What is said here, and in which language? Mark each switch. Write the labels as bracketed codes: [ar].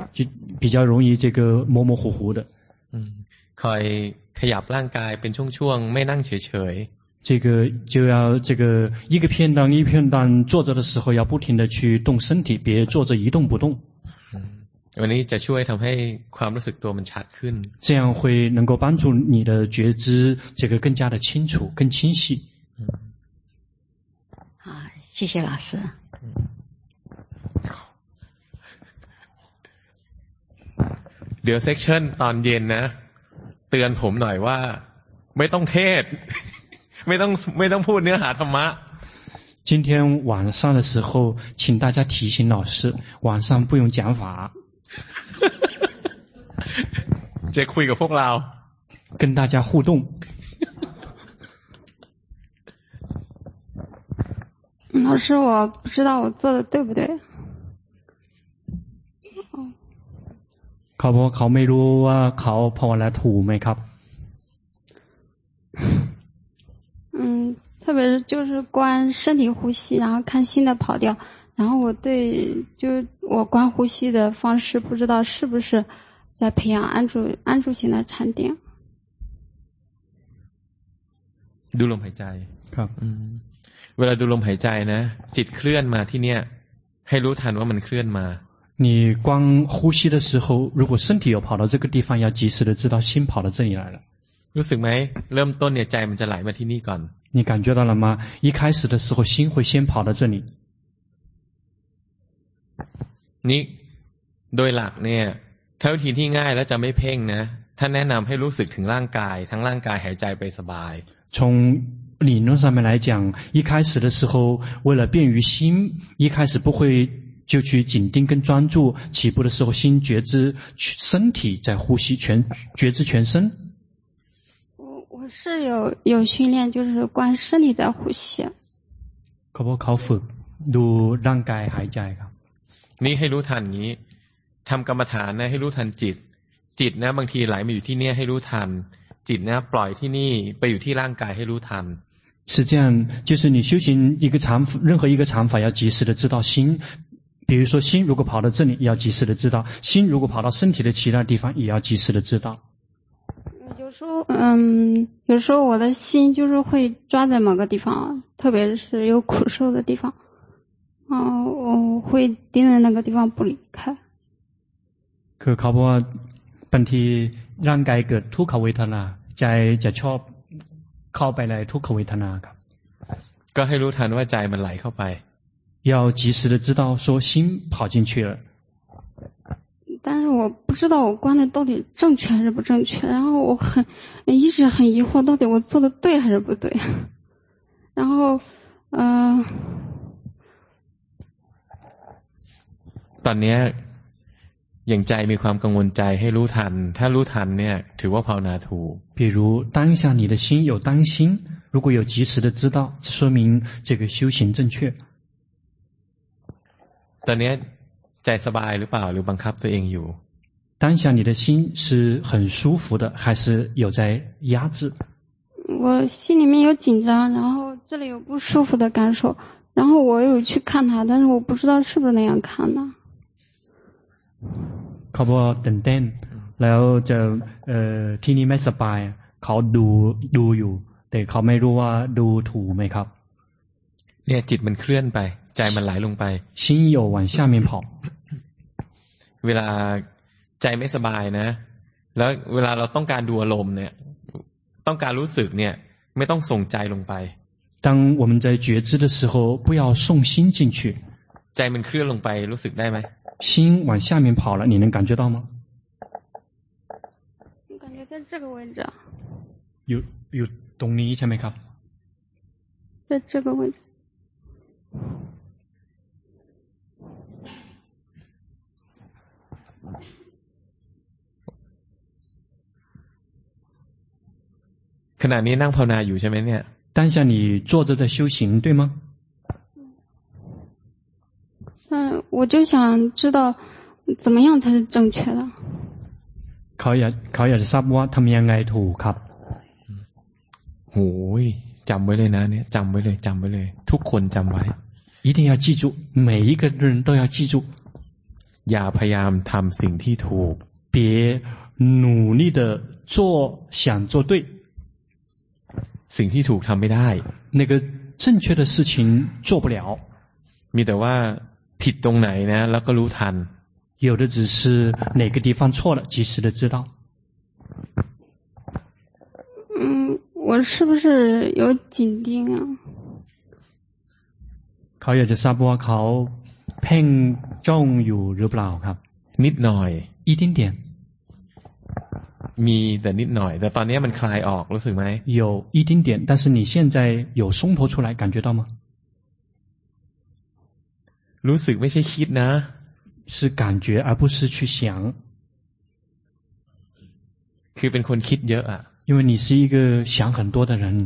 [zh] 就比较容易这个模模糊糊的 [th] คอยขยับร่างกายเป็นช่วงๆไม่นั่งเฉยๆ [zh] 这个就要这个一个片段一个片段坐着的时候要不停的去动身体别坐着一动不动 [th] วันนี้จะช่วยทำให้ความรู้สึกตัวมันชัดขึ้น [zh] 这样会能够帮助你的觉知这个更加的清楚更清晰谢谢老师 [th] เดี๋ยวเซ็กชันตอนเย็นนะเตือนผมหน่อยว่าไม่ต้องเทศไม่ต้องพูดเนื้อหาธรรมะ [zh] 今天晚上的时候请大家提醒老师晚上不用讲法 [th] จะคุยกับพวกเรา [zh] 跟大家互动老师我不知道我做的对不对 [th] เขาไม่รู้ว่าเขาภาวนาถูกไหมครับ [zh] 特别是就是观身体呼吸然后看心的跑掉然后我对就是我观呼吸的方式不知道是不是在培养安住型的禅定 [th] ดูลมหายใจ ครับ เวลาดูลมหายใจนะจิตเคลื่อนมาที่เนี่ยให้รู้ทันว่ามันเคลื่อนมา [zh] 你观呼吸的时候如果身体有跑到这个地方要及时的知道心跑到这里来了 [th] รู้สึกไหมเริ่มต้นเนี่ยใจมันจะไหลมาที่นี่ก่อน [zh] 你感觉到了吗一开始的时候心会先跑到这里 [th] นี่โดยหลักเนี่ยถ้าวิธีที่ง่ายแล้วจะไม่เพ่งนะท่านแนะนำให้รู้สึกถึงร่างกายทั้งร่างกายหายใจไปสบาย [zh] 从理论上面来讲一开始的时候为了便于心一开始不会就去紧盯跟专注起步的时候心觉知身体在呼吸全觉知全身我是有训练就是观身体的呼吸可不可以 [th] ดูร่างกายหายใจครับ นี่ให้รู้ทันนี้ทำกรรมฐานนะให้รู้ทันจิตจิตนะบางทีไหลมาอยู่ที่เนี่ยให้รู้ทันจิตนะปล่อยที่นี่ไปอยู่ที่ร่างกายให้รู้ทัน [zh] 是这样就是你修行一个禅任何一个禅法要及时的知道心比如说心如果跑到这里要及时的知道心如果跑到身体的其他地方也要及时的知道有时候我的心就是会抓在某个地方特别是有苦受的地方哦，我会盯着那个地方不离开。可靠不？ [th] บางทีร่างกายเกิดทุกขเวทนาใจจะชอบเข้าไปในทุกขเวทนาครับ ก็ให้รู้ทันว่าใจมันไหลเข้าไป [zh] 要及时的知道说心跑进去了但是我不知道我观的到底正确还是不正确然后我很一直很疑惑到底我做的对还是不对然后 [th] ตอนนี้อย่างใจมีความกังวลใจให้รู้ทันถ้ารู้ทันเนี่ยถือว่าภาวนาถูก [zh] 比如当下你的心有担心如果有及时的知道这说明这个修行正确 [th] ตอนนี้ใจสบายหรือเปล่าหรือบังคับตัวเองอยู่ [zh] 当下你的心是很舒服的还是有在压制我心里面有紧张然后这里有不舒服的感受然后我有去看它但是我不知道是不是那样看的 [th] เขาบอกตื่นเต้นแล้วจะที่นี่ไม่สบายเขาดูอยู่แต่เขาไม่รู้ว่าดูถูกไหมครับ เนี่ยจิตมันเคลื่อนไปใจมันไหลลงไป [zh] 心有往下面跑 [th] เวลาใจไม่สบายนะแล้วเวลาเราต้องการดูอารมณ์เนี่ยต้องการรู้สึกเนี่ยไม่ต้องส่งใจลงไป [zh] 当我们在觉知的时候不要送心进去 [th] ใจมันเคลื่อนลงไปรู้สึกได้ไหม [zh] 心往下面跑了你能感觉到吗感觉在这个位置有 [th] ตรงนี้ใช่ไหมครับ [zh] 在这个位置 [th] ขณะนี้นั่งภาวนาอยู่ใช่ไหมเนี่ย [zh] 当下你坐着在修行对吗我就想知道怎么样才是正确的 [th] เขาอยากจะทราบว่าทำยังไงถูกครับ โหยจำไว้เลยนะเนี่ยจำไว้เลยจำไว้เลยทุกคนจำไว้ [zh] 一定要记住每一个人都要记住 [th] อย่าพยายามทำสิ่งที่ถูก [zh] 别努力的做想做对 [th] สิ่งที่ถูกทำไม่ได้ [zh] 那个正确的事情做不了 [th] มีแต่ว่าผิดตรงไหนนะแล้วก็รู้ทัน [zh] 有的只是哪个地方错了及时的知道我是不是有紧盯啊 [th] เขาอยากจะทราบว่าเขาเพ่งจ้องอยู่หรือเปล่าครับ นิดหน่อย [zh] 一点点 [th] มีแต่นิดหน่อยแต่ตอนนี้มันคลายออกรู้สึกไหม [zh] 有一点点但是你现在有松脱出来感觉到吗 [th] รู้สึกไม่ใช่คิดนะ [zh] 是感觉而不是去想 [th] คือเป็นคนคิดเยอะอ่ะ [zh] 因为你是一个想很多的人